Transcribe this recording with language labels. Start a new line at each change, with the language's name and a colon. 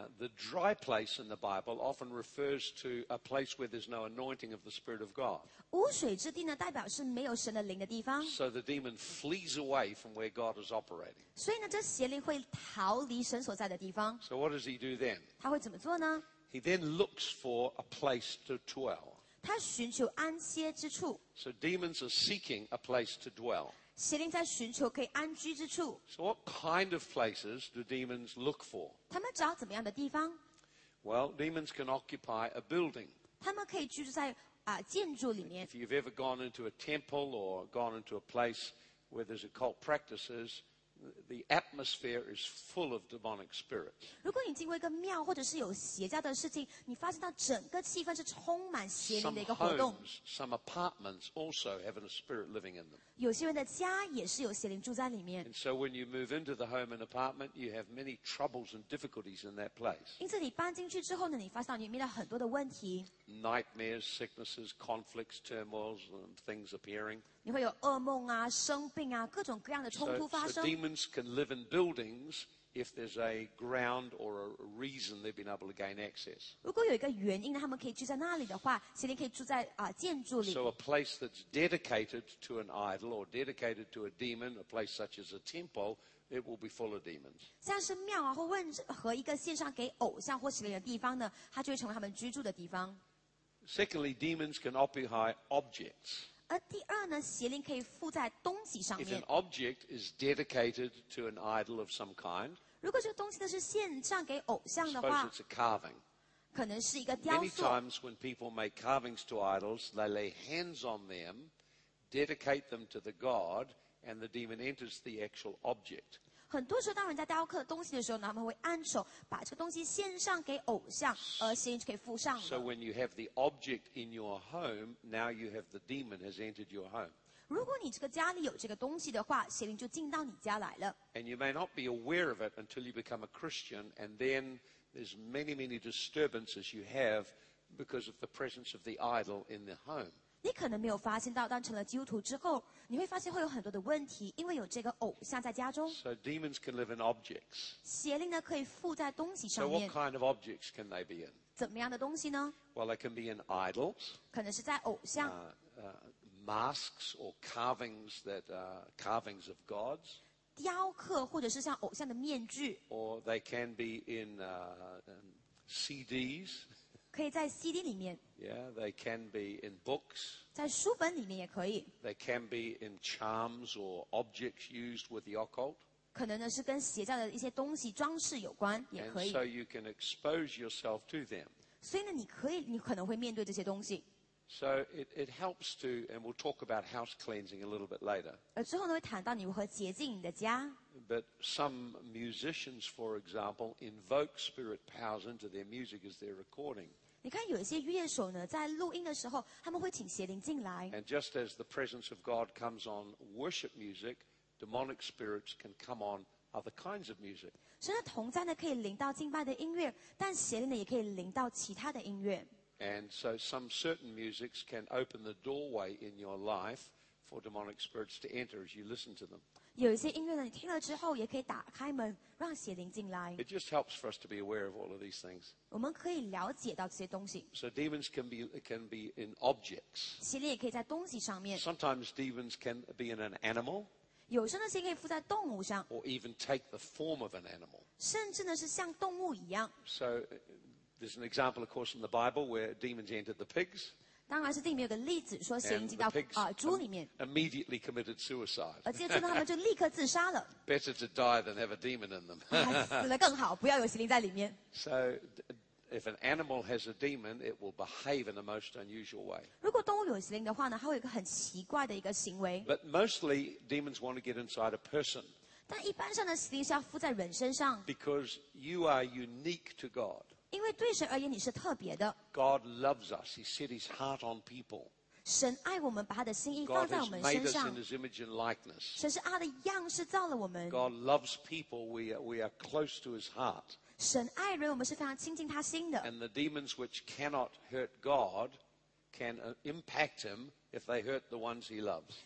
English: The dry place in the Bible often refers to a place where there's no anointing of the Spirit of God.
Chinese: 无水之地呢，代表是没有神的灵的地方。
English: So the demon flees away from where God is operating.
Chinese: 所以呢，这邪灵会逃离神所在的地方。
English: So what does he do then?
Chinese: 他会怎么做呢？
English: He then looks for a place to dwell.
Chinese: 他寻求安歇之处。
English: So demons are seeking a place to dwell.
Chinese: 邪灵在寻求可以安居之处。
English: So what kind of places do demons look for?
Chinese: 他们找怎么样的地方？
English: Well, demons can occupy a building.
Chinese: 他们可以居住在建筑里面。
English: If you've ever gone into a temple or gone into a place where there's occult practices, the atmosphere is full of demonic spirits.
Chinese: 如果你经过一个庙或者是有邪教的事情，你发现到整个气氛是充满邪灵的一个活动。
English: Some homes, some apartments also have a spirit living in them.
Chinese: 有些人的家也是有邪灵住在里面。
English: And so when you move into the home and apartment, you have many troubles and difficulties in that place.
Chinese: 因此你搬进去之后呢，你发现到里面的很多的问题。
English: Nightmares, sicknesses, conflicts, turmoils, and things appearing.
Chinese: 你会有噩梦啊，生病啊，各种各样的冲突发生。
English: So demons can live in buildings if there's a ground or a reason they've been able to gain access.
Chinese: 如果有一个原因，他们可以住在那里的话，邪灵可以住在建筑里。
English: So a place that's dedicated to an idol or dedicated to a demon, a place such as a temple, it will be full of demons.
Chinese: 像是庙啊，或任何一个献上给偶像或邪灵的地方呢，它就会成为他们居住的地方。
English: Secondly, demons can occupy objects.
Chinese: 而第二呢，邪灵可以附在东西上面。
English: If an object is dedicated to an idol of some kind,
Chinese: 如果这个东西呢是献上给偶像的话
English: suppose it's a carving.
Chinese: 可能是一个雕塑。
English: Many times when people make carvings to idols, they lay hands on them, dedicate them to the god, and the demon enters the actual object.
Chinese: 很多时候当人家雕刻东西的时候呢，他们会按手把这个东西献上给偶像，而邪灵就可以附上了。
English: So when you have the object in your home, now you have the demon has entered your home.
Chinese: 如果你这个家里有这个东西的话，邪灵就进到你家来了。
English: And you may not be aware of it until you become a Christian, and then there's many, many disturbances you have because of the presence of the idol in the home.
Chinese: 你可能没有发现到，但成了基督徒之后，你会发现会有很多的问题，因为有这个偶像在家中。
English: So demons can live in objects.
Chinese: 邪灵呢可以附在东西上面。
English: So what kind of objects can they be in?
Chinese: 怎么样的东西呢
English: ？Well, they can be in idols.
Chinese: 可能是在偶像。
English: Masks or carvings that are carvings of gods.
Chinese: 雕刻或者是像偶像的面具。
English: Or they can be in CDs.
Chinese: 可以在 CD 里面。
English: Yeah, they can be in books.
Chinese: 在书本里面也可以。
English: They can be in charms or objects used with the occult.
Chinese: 可能呢是跟邪教的一些东西装饰有关，也可以。
English: And so you can expose yourself to them.
Chinese: 所以呢，你可能会面对这些东西。
English: So it helps to, and we'll talk about house cleansing a little bit later.
Chinese: 而之后呢，会谈到你如何洁净你的家。
English: But some musicians, for example, invoke spirit powers into their music as they're recording.
Chinese: 你看有一些乐手呢，在录音的时候，他们会请邪灵进来。
English: And just as the presence of God comes on worship music, demonic spirits can come on other kinds of music.
Chinese: 所以同在呢，可以临到敬拜的音乐，但邪灵呢，也可以临到其他的音乐。
English: And so some certain musics can open the doorway in your life for demonic spirits to enter as you listen to them.
Chinese: 有一些音乐呢，你听了之后也可以打开门，让邪灵进来。
English: It just helps for us to be aware of all of these things.
Chinese: 我们可以了解到这些东西。
English: So demons can be in objects.
Chinese: 邪灵也可以在东西上面。
English: Sometimes demons can be in an animal.
Chinese: 有时候呢，邪灵可以附在动物上。
English: Or even take the form of an animal.
Chinese: 甚至呢，是像动物一样。
English: So there's an example, of course, in the Bible where demons entered the pigs.
Chinese: 当然是并没有个例子说邪灵进到猪里面。
English: Immediately committed suicide.
Chinese: 而接着呢，他们就立刻自杀了。
English: Better to die than have a demon in them.
Chinese: 死了更好，不要有邪灵在里面。
English: So, if an animal has a demon, it will behave in the most unusual way.
Chinese: 如果动物有邪灵的话呢，它会有一个很奇怪的一个行为。
English: But mostly, demons want to get inside a person.
Chinese: 但一般上呢，邪灵是要附在人身上。
English: Because you are unique to God.
Chinese: 因为对神而言你是特别的。
English: God loves us. He set his heart on people.
Chinese: 神爱我们把他的心意放在我们身上。
English: God has made us in his image and likeness.
Chinese: 神是他的样式造了我们。
English: God loves people. We are close to his heart.
Chinese: 神爱人我们是非常亲近他心的。
English: And the demons which cannot hurt God can impact him if they hurt the ones he loves.